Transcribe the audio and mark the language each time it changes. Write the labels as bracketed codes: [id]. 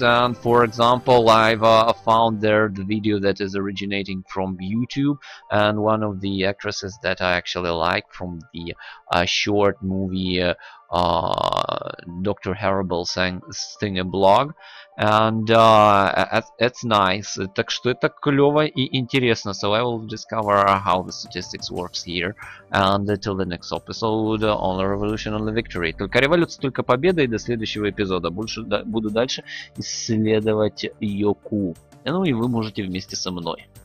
[en] And for example, I've found there the video that is originating from YouTube, and one of the actresses that I actually like from the short movie Dr. Horrible Thing a blog. And it's nice. [ru] Так что это клево и интересно. [en] So I will discover how the statistics works here. And until the next episode, only revolution, only victory. [ru] Только революция, только победа. И до следующего эпизода. Буду дальше исследовать Yoku. Ну и вы можете вместе со мной.